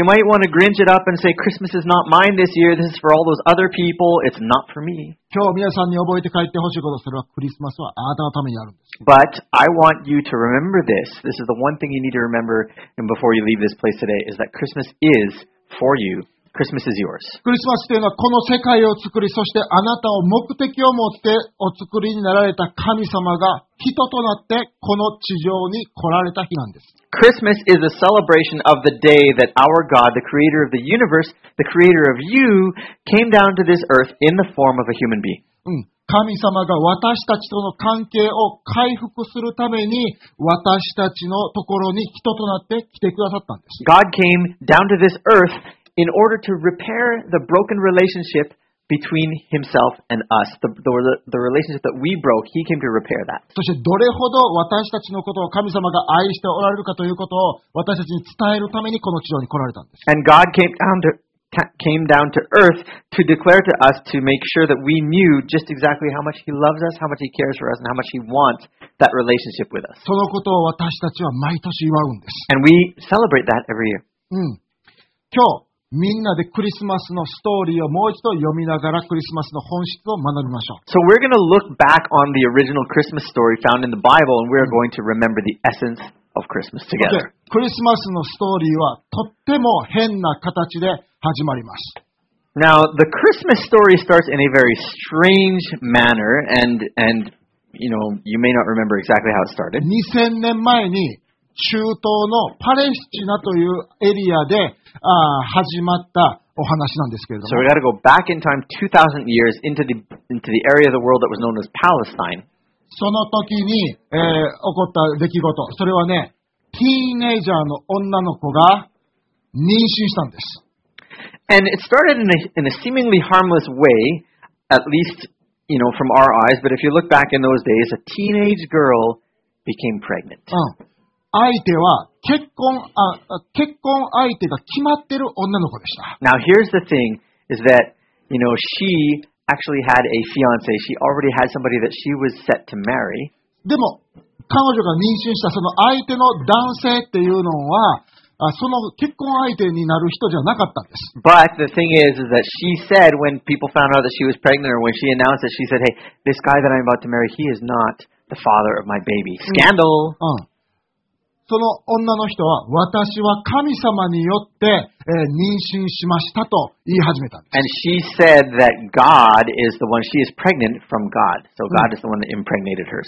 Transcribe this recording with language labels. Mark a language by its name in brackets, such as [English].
[English] So you might want to grinch it up and say, Christmas is not mine this year, this is for all those other people, it's not for me. [Japanese] 今日皆さんに覚えて帰ってほしいこと、それはクリスマスはあなたのためにあるんです。 [English] But I want you to remember this. This is the one thing you need to remember before you leave this place today, is that Christmas is for you. Christmas is yours. [Japanese] クリスマスというのはこの世界を作り、そしてあなたを目的を持ってお作りになられた神様が人となってこの地上に来られた日なんです。 [English] Christmas is a celebration of the day that our God, the creator of the universe, the creator of you, came down to this earth in the form of a human being. [Japanese] 神様が私たちとの関係を回復するために私たちのところに人となって来てくださったんです。 [English] God came down to this earth in order to repair the broken relationship between himself and us. The relationship that we broke, he came to repair that. [Japanese] そしてどれほど私たちのことを神様が愛しておられるかということを私たちに伝えるためにこの地上に来られたんです。 [English] And God came down to earth to declare to us to make sure that we knew just exactly how much he loves us, how much he cares for us, and how much he wants that relationship with us. [Japanese] そのことを私たちは毎年祝うんです。 [English] And we celebrate that every year. [Japanese] 今日みんなでクリスマスのストーリーをもう一度読みながらクリスマスの本質を学びましょう。 [English] So we're going to look back on the original Christmas story found in the Bible and we're going to remember the essence of Christmas together. [Japanese] クリスマスのストーリーはとっても変な形で始まります。 [English] Now the Christmas story starts in a very strange manner and you know, you may not remember exactly how it started. [Japanese] 2000年前に中東のパレスチナというエリアで始まったお話なんですけれども。 [English] So we gotta go back in time 2000 years into the area of the world that was known as Palestine. [Japanese] その時に、起こった出来事、それはね、ティーネイジャーの女の子が妊娠したんです。 [English] And it started in a seemingly harmless way, at least, you know, from our eyes, but if you look back in those days, a teenage girl became pregnant. [Japanese] うん。相手は結婚相手が決まってる女の子でした。 [English] Now here's the thing is that you know she actually had a fiance. She already had somebody that she was set to marry. [Japanese] でも彼女が妊娠したその相手の男性っていうのはその結婚相手になる人じゃなかったんです。 [English] But the thing is that she said when people found out that she was pregnant or when she announced that she said, "Hey, this guy that I'm about to marry, he is not the father of my baby." Scandal. [Japanese] うん。その女の人は私は神様によって、妊娠しましたと言い始めたんです。 [English] And she said that God is the one, she is pregnant from God. So God is the one that impregnated her.